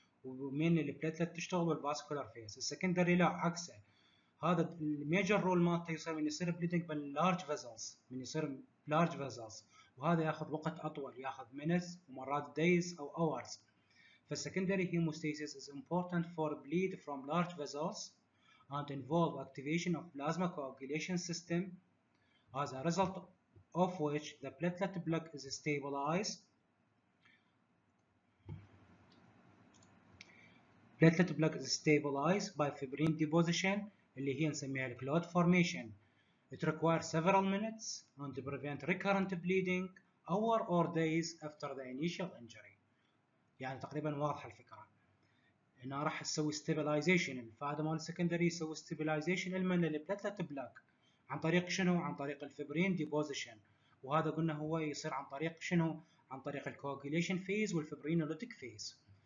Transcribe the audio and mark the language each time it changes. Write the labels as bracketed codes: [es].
[ar] ومن البلاتلت تشتغل والباسكولار فيس. السكندري لا عكسه، هذا الميجر رول مالته يصير من يصير بليدنج باللارج فيزلز، من يصير لارج فيزلز وهذا ياخذ وقت اطول، ياخذ مينتس ومرات دايز او اورز. [en] فالسكندري haemostasis is important for bleed from large vessels and involve activation of plasma coagulation system as a result of which the platelet plug is stabilise. Platelet plug is stabilized by fibrin deposition [ar] اللي هي نسميها [en] clot formation. It requires several minutes and prevent recurrent bleeding hour or days after the initial injury. [ar] يعني تقريبا واضحة الفكرة. هنا راح تسوي stabilization. الفائدة مال secondary يسوي stabilization المن للبلاتلت بلاك عن طريق شنو؟ عن طريق الفبرين deposition. وهذا قلنا هو يصير عن طريق شنو؟ عن طريق الكوجيليشن فيز والفبرينوليتيك فيز.